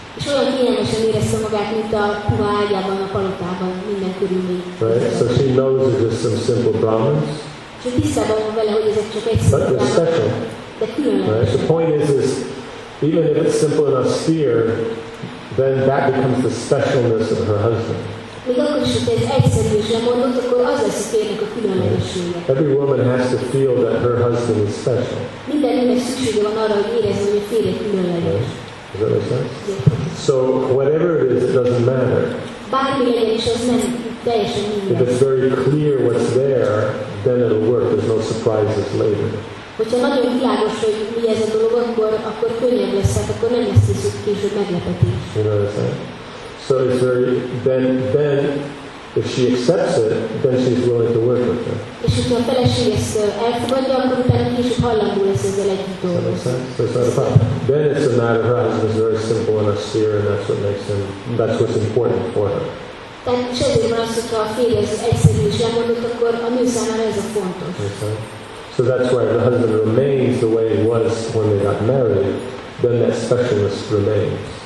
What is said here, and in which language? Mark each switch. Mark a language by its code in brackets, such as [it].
[en] Right? So she knows it's just some simple Brahmins. But they're special. Right? The point is even if it's simple and austere, then that becomes the specialness of her husband. [hu] Még akkor is, hogy ez egyszerű és lemondott, akkor az lesz a férnek a különlegessége. [en] Every woman has to feel that her husband is special. [hu] Minden nőnek szüksége van arra, hogy érezze, hogy a férjének különleges. [en] Does that make sense? So, whatever it is, it doesn't matter. [hu] Bármi legyen is, az nem [en] If it's very clear what's there, then it'll work. There's no surprises later. [hu] Hogyha nagyon világos, hogy mi ez a dolog, akkor könnyebb lesz, hát akkor nem lesz később meglepetés. [en] You know what I'm saying? So it's very, then if she accepts it, then she's willing to work with her. [hu] És hogyha a feleség ezt elfogadja, akkor utána később hallandó lesz ezzel együtt dolgozni. [en] So it's not a problem. Then it's a matter of her husband is very simple and austere, and that's what makes him, that's what's important for her. [hu] Tehát semmi más, hogyha a férje ezt egyszerű is lemondott, akkor a nő számára ez a fontos. [en] So that's why the husband remains the way he was when they got married, then that specialist remains.